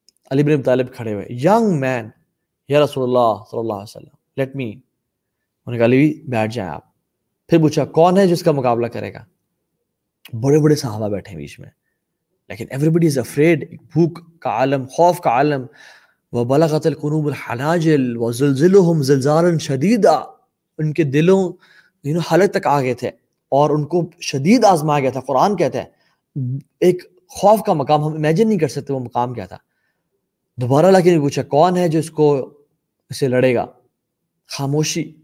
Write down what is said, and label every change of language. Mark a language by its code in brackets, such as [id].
[ur] علی بن ابی طالب کھڑے ہوئے, [en] young man, [ur] یا رسول اللہ صلی اللہ علیہ وسلم, [en] Let me. [ur] انہوں نے کہا علی بیٹھ جائیں آپ. پھر پوچھا کون ہے جس کا مقابلہ کرے گا. بڑے بڑے صحابہ بیٹھے ہیں بیچ میں, لیکن [en] everybody is afraid, [ur] بھوک کا عالم, خوف کا عالم. [ar] وبلغت القلوب الحناجل وزلزلهم زلزالا شديدا, [ur] ان کے دلوں حالت تک آ گئے تھے اور ان کو شدید آزمایا گیا تھا. قرآن کہتا ہے ایک خوف کا مقام, ہم امیجن نہیں کر سکتے وہ مقام کیا تھا. دوبارہ اللہ نے پوچھا کون ہے جو اس کو اسے لڑے گا, خاموشی.